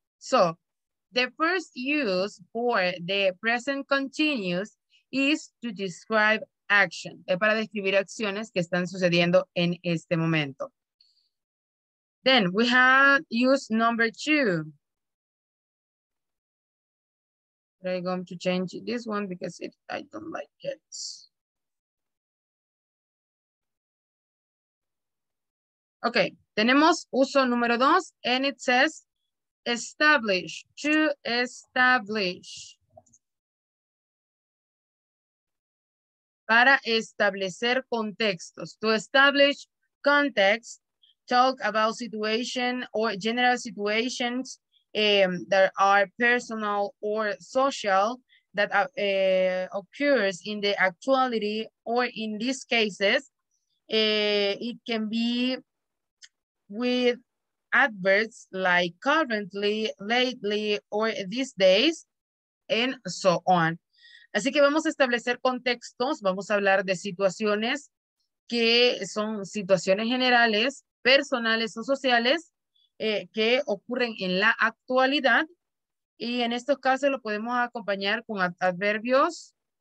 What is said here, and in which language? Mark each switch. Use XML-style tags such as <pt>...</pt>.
<en>So, the first use for the present continuous is to describe action.</en> <es>Es para describir acciones que están sucediendo en este momento.</es> <en>Then we have use number two. I'm going to change this one because I don't like it. Okay,</en> <es>tenemos uso número dos,</es> <en>and it says establish, to establish.</en> <es>Para establecer contextos,</es> <en>to establish context, talk about situation or general situations that are personal or social that occurs in the actuality, or in these cases, it can be with adverbs like currently, lately, or these days, and so on.</en> <es>Así que vamos a establecer contextos, vamos a hablar de situaciones que son situaciones generales, personales o sociales, que ocurren en la actualidad, y en estos casos lo podemos acompañar con adverbios.</es>